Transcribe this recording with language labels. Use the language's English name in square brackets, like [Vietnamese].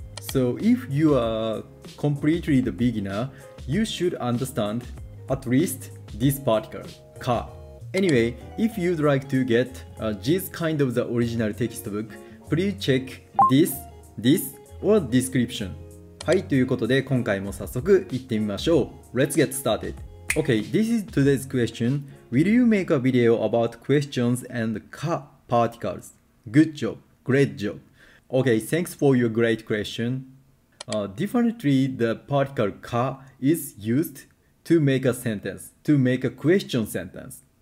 [English] So if you are completely the beginner, you should understand at least this particle ka. Anyway, if you'd like to get this kind of the original textbook, please check this, or description. [Japanese] はい、ということで今回も早速行ってみましょう。 [English] Let's get started. Okay, this is today's question. Will you make a video about questions and ka particles? Good job. Great job. Okay, thanks for your great question. Definitely the particle ka is used to make a sentence, to make a question sentence.